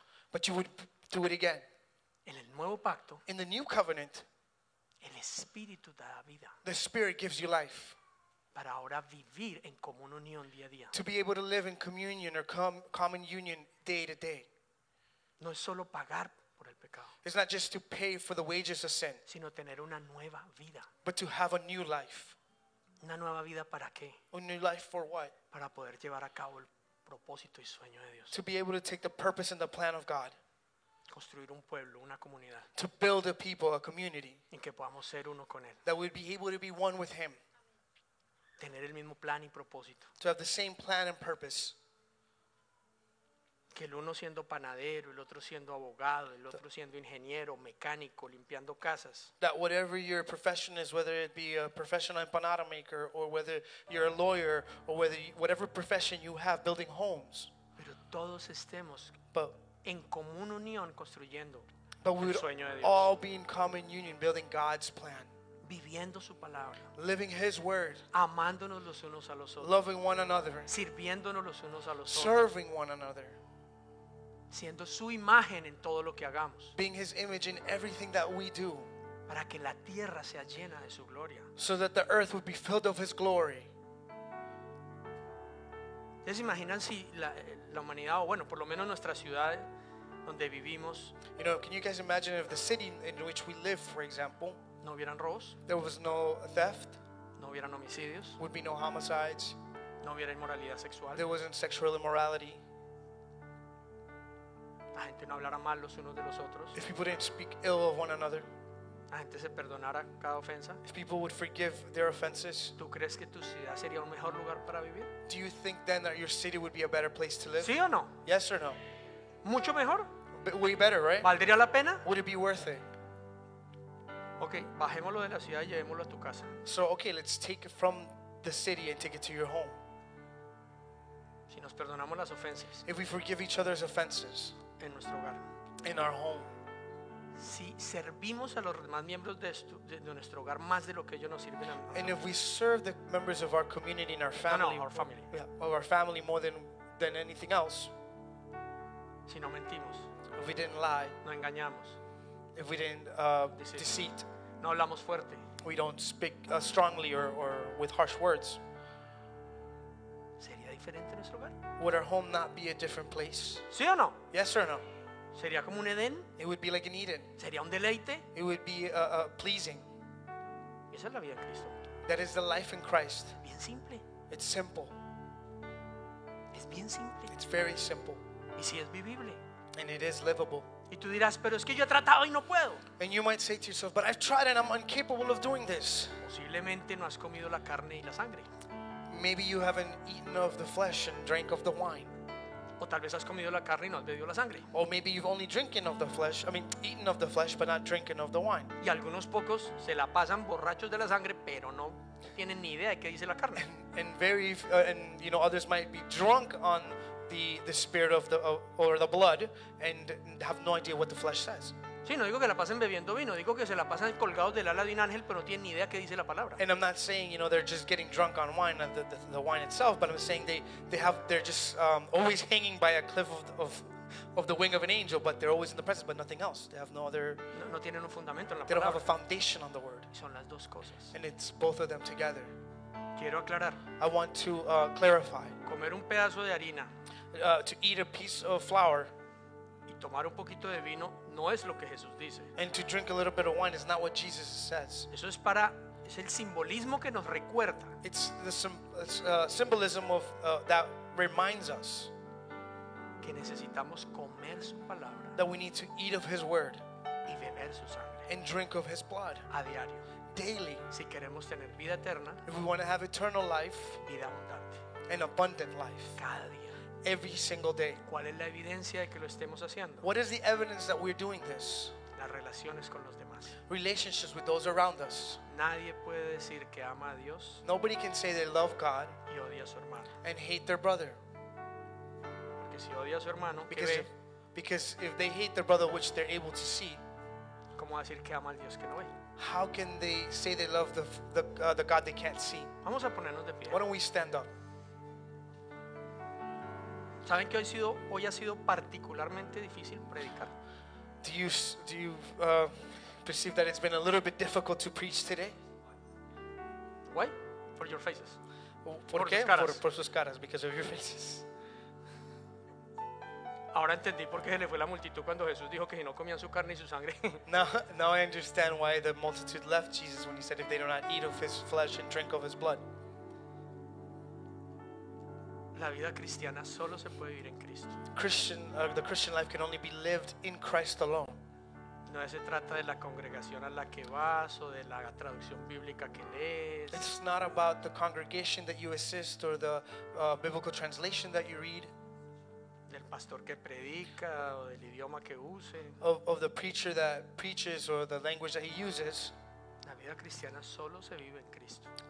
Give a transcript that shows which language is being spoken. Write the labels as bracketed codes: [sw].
[en] But you would do it again. [es] En el nuevo pacto, [en] in the new covenant, [es] el espíritu da vida. [en] The spirit gives you life. [es] Para ahora vivir en común unión día a día. [en] To be able to live in communion or common union day to day. [es] No es solo pagar por el pecado. [en] It's not just to pay for the wages of sin. [es] Sino tener una nueva vida. [en] But to have a new life. [es] Una nueva vida para qué? [en] A new life for what? [es] Para poder llevar a cabo el propósito y sueño de Dios. [en] To be able to take the purpose and the plan of God. [es] Construir un pueblo, una comunidad. [en] To build a people, a community. [es] En que podamos ser uno con él. [en] That we'd be able to be one with him. [es] Tener el mismo plan y propósito. [en] To have the same plan and purpose. [es] Que el uno siendo panadero, el otro siendo abogado, el otro siendo ingeniero, mecánico, limpiando casas. [en] That whatever your profession is, whether it be a professional empanada maker, or whether you're a lawyer, or whether whatever profession you have, building homes. [es] Pero todos estemos en común unión construyendo el sueño de Dios. [en] All be in common union, building God's plan. [es] Viviendo su palabra. [en] Living his word. [es] Amándonos los unos a los otros. [en] Loving one another. [es] Sirviéndonos los unos a los otros. [en] Serving one another. [es] Siendo su imagen en todo lo que hagamos. [en] Being his image in everything that we do. [es] Para que la tierra sea llena de su gloria. [en] So that the earth would be filled of his glory. [es] ¿Les imaginan si la humanidad, o bueno, por lo menos nuestra ciudad donde vivimos, [en] you know, can you guys imagine if the city in which we live, for example, [es] No hubieran robos. [en] There was no theft. [es] No hubieran homicidios. [en] Would be no homicides. [es] No hubiera inmoralidad sexual. [en] There wasn't sexual immorality. [es] La gente no hablara mal los unos de los otros. [en] If people didn't speak ill of one another. [es] La gente se perdonara cada ofensa. [en] If people would forgive their offenses. [es] ¿Tú crees que tu ciudad sería un mejor lugar para vivir? [en] Do you think then that your city would be a better place to live? [es] ¿Sí o no? [en] Yes or no? [es] Mucho mejor. [en] Way better, right? [es] ¿Valdría la pena? [en] Would it be worth it? [es] Okay, bajémoslo de la ciudad y llevémoslo a tu casa. [en] So okay, let's take it from the city and take it to your home. [es] Si nos perdonamos las ofensas. [en] If we forgive each other's offenses. [es] En nuestro hogar. [en] In our home. [es] Si servimos a los demás miembros de nuestro hogar más de lo que ellos nos sirven a nosotros. [en] And if we serve the members of our community and our family. No, our family. Yeah, of our family more than anything else. [es] Si no mentimos. [en] If we didn't lie. [es] No engañamos. [en] If we didn't deceit. [es] No hablamos fuerte. [en] We don't speak strongly or with harsh words. [es] ¿Sería diferente nuestro hogar? [en] Would our home not be a different place? [es] ¿Sí o no? [en] Yes or no? [es] ¿Sería como un Edén? [en] It would be like an Eden. [es] ¿Sería un deleite? [en] It would be pleasing. [es] Esa es la vida en Cristo. [en] That is the life in Christ. [es] Bien simple. [en] It's simple. [es] Es bien simple. [en] It's very simple. [es] Y si es vivible. [en] And it is livable. [es] Y tú dirás, pero es que yo he tratado y no puedo. [en] And you might say to yourself, but I've tried and I'm incapable of doing this. [es] Posiblemente no has comido la carne y la sangre. [en] Maybe you haven't eaten of the flesh and drank of the wine. [es] O tal vez has comido la carne y no has bebido la sangre. [en] Or maybe you've only eaten of the flesh but not drinking of the wine. [es] Y algunos pocos se la pasan borrachos de la sangre, pero no tienen ni idea de qué dice la carne. [en] And others might be drunk on the spirit of or the blood and have no idea what the flesh says. [es] Sí, no digo que la pasen bebiendo vino, digo que se la pasan colgados del ala de un ángel, pero no tienen ni idea qué dice la palabra. [en] And I'm not saying, you know, they're just getting drunk on wine and the wine itself, but I'm saying they're just always hanging by a cliff of the wing of an angel, but they're always in the presence, but nothing else. They have no other. [es] No tienen un fundamento en la palabra. [en] They don't have a foundation on the word. [es] Y son las dos cosas. [en] And it's both of them together. [es] Quiero aclarar. [en] I want to clarify. [es] Comer un pedazo de harina. [en] To eat a piece of flour. [es] Y tomar un poquito de vino no es lo que Jesús dice. [en] And to drink a little bit of wine is not what Jesus says. [es] Eso es para, es el simbolismo que nos recuerda. [en] It's the symbolism of that reminds us. [es] Que necesitamos comer su palabra. [en] That we need to eat of his word. [es] Y beber su sangre. [en] And drink of his blood. [es] A diario. [en] Daily. [es] Si queremos tener vida eterna. [en] If we want to have eternal life. [es] Vida abundante. [en] An abundant life. [es] Cada día. [en] Every single day. [es] ¿Cuál es la evidencia de que lo estemos haciendo? [en] What is the evidence that we're doing this? [es] Las relaciones con los demás. [en] Relationships with those around us. [es] Nadie puede decir que ama a Dios. [en] Nobody can say they love God. [es] Y odia a su hermano. [en] And hate their brother. [es] Porque si odia a su hermano, [en] because if they hate their brother, which they're able to see. [es] ¿Cómo va a decir que ama al Dios que no ve? [en] How can they say they love the God they can't see? [es] Vamos a ponernos de pie. [en] Why don't we stand up? [es] ¿Saben que hoy ha sido particularmente difícil predicar? [en] Do you perceive that it's been a little bit difficult to preach today? Why? For your faces. [es] ¿Por qué? Sus caras. Por sus caras, [en] because of your faces. [es] Ahora entendí por qué se le fue la multitud cuando Jesús dijo que si no comían su carne y su sangre. [en] Now I understand why the multitude left Jesus when he said if they do not eat of his flesh and drink of his blood. [es] La vida cristiana solo se puede vivir en Cristo. [en] The Christian life can only be lived in Christ alone. [es] No se trata de la congregación a la que vas o de la traducción bíblica que lees. [en] It's not about the congregation that you assist or the biblical translation that you read. [es] Del pastor que predica o del idioma que use. [en] Of the preacher that preaches or the language that he uses. [es] La vida cristiana solo se vive en Cristo.